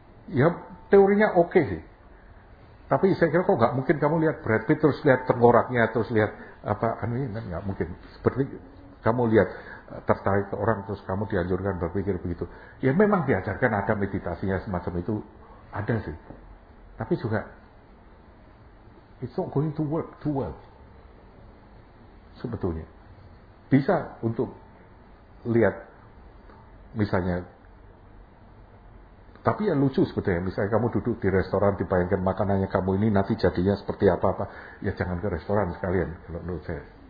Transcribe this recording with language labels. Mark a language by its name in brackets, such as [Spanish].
[Indonesian] Ya teorinya oke sih, tapi saya kira kok nggak mungkin kamu lihat Brad Pitt terus lihat tengkoraknya terus lihat apa ini, nggak mungkin. Seperti kamu lihat tertarik ke orang terus kamu dianjurkan berpikir begitu. Ya memang diajarkan ada meditasinya semacam itu, ada sih. [English] Tapi juga it's not going to work too well. [Indonesian] Sebetulnya bisa untuk lihat misalnya. Tapi ya lucu sebetulnya, misalnya kamu duduk di restoran, dibayangkan makanannya kamu ini nanti jadinya seperti apa-apa, ya jangan ke restoran sekalian, kalau menurut saya.